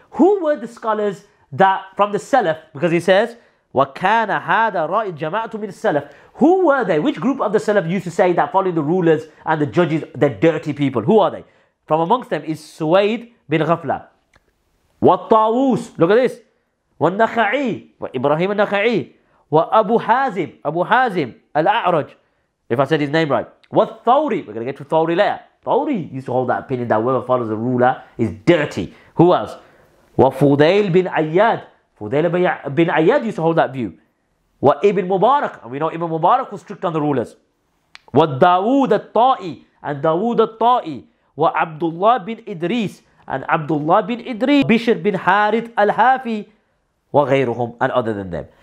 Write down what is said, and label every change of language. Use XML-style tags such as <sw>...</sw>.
<en>Who were the scholars that from the Salaf? Because he says,</en> <ar>وَكَانَ هَذَا رَأِ الْجَمَاعَةُ مِنَ الصَّلَفِ</ar> <en>Who were they? Which group of the Salaf used to say that following the rulers and the judges, they're dirty people? Who are they? From amongst them is Suwaid bin Ghafla. وَالطَّاوُوس Look at this.</en> <ar>وَالنَّخَعِي وَإِبْرَهِيمَ النَّخَعِي وَأَبُو حَازِم أَبُو حَازِم الْأَعْرَج</ar> <en>If I said his name right. وَالثَّوْرِي We're going to get to Thawri later. Thawri used to hold that opinion that whoever follows the ruler is dirty. Who else? وَفُدَيْل بِنْ عَيَّاد Fudail bin Ayyad used to hold that view. وَإِبْنْ مُبَارَك And we know Ibn Mubarak was strict on the rulers. وَالدَّاوُودَ الطَّائِي And دَاوُودَ الطَّائِي وَعَبْدُ اللَّهِ بِنْ إِدْرِيسِ And Abdullah bin Idris, Bishr bin Harith al-Hafi, وَغَيْرُهُمْ And other than them.</en>